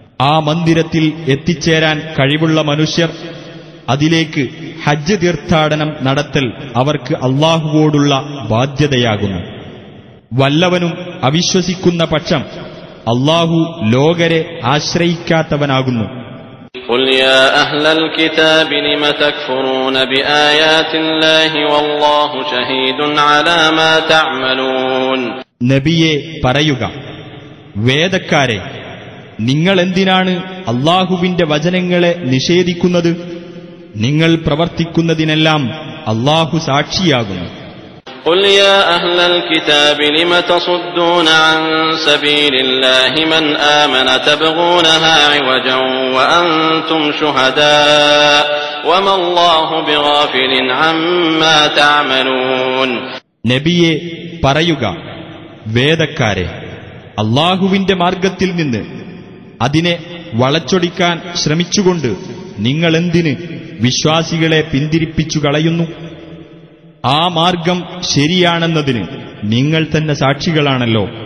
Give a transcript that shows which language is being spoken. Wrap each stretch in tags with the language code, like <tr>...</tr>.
<ml>ആ മന്ദിരത്തിൽ എത്തിച്ചേരാൻ കഴിവുള്ള മനുഷ്യർ അതിലേക്ക് ഹജ്ജ് തീർത്ഥാടനം നടത്തൽ അവർക്ക് അള്ളാഹുവോടുള്ള ബാധ്യതയാകുന്നു. വല്ലവനും അവിശ്വസിക്കുന്ന പക്ഷം അള്ളാഹു ലോകരെ ആശ്രയിക്കാത്തവനാകുന്നു.</ml> <ar>قل يا اهل الكتاب لما تكفرون بايات الله والله شهيد على ما تعملون.</ar> <ml>നബിയെ പറയുക, വേദക്കാരെ, നിങ്ങൾ എന്തിനാണ് അല്ലാഹുവിന്റെ വചനങ്ങളെ നിഷേധിക്കുന്നത്? നിങ്ങൾ പ്രവർത്തിക്കുന്നതിനെല്ലാം അല്ലാഹു സാക്ഷിയാകുന്നു.</ml> <ar>قل يا اهل الكتاب لما تصدون عن سبيل الله من امن تبغونها عوجا وانتم شهداء وما الله بغافل عما تعملون.</ar> <ml>നബിയെ പറയുക, വേദക്കാരെ, അല്ലാഹുവിന്റെ മാർഗ്ഗത്തിൽ നിന്ന് അതിനെ വളച്ചൊടിക്കാൻ ശ്രമിച്ചുകൊണ്ട് നിങ്ങൾ എന്തിനു വിശ്വാസികളെ പിന്തിരിപ്പിച്ചു കളയുന്നു? ആ മാർഗം ശരിയാണെന്നതിന് നിങ്ങൾ തന്നെ സാക്ഷികളാണല്ലോ.</ml>